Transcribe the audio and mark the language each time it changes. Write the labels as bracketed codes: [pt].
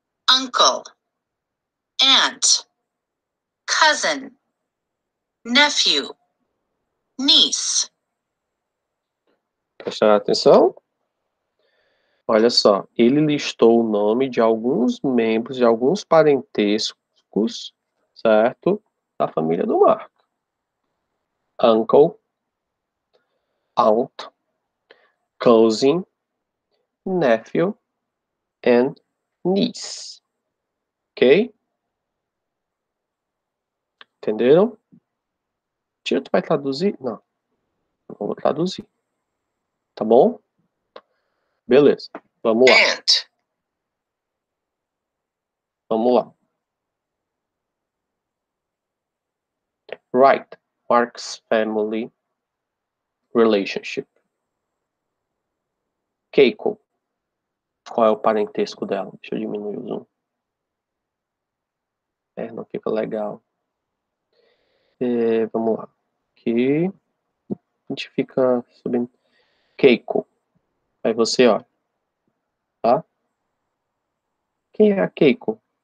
[en] Uncle, aunt, cousin, nephew, niece. [pt] Prestar atenção? Olha só, ele listou o nome de alguns membros, de alguns parentescos, certo? Da família do Marco. [en] Uncle, aunt, cousin, nephew and niece. Ok? [pt] Entenderam? Tio, tu vai traduzir? Não. Não vou traduzir. Tá bom? Beleza. Vamos lá. [en] Aunt. [pt] Vamos lá. [en] Right. Mark's family relationship. Keiko. [pt] Qual é o parentesco dela? Deixa eu diminuir o zoom. É, não fica legal. Vamos lá. Aqui. A gente fica subindo. Keiko. Aí você, ó. Tá? Quem é a Keiko?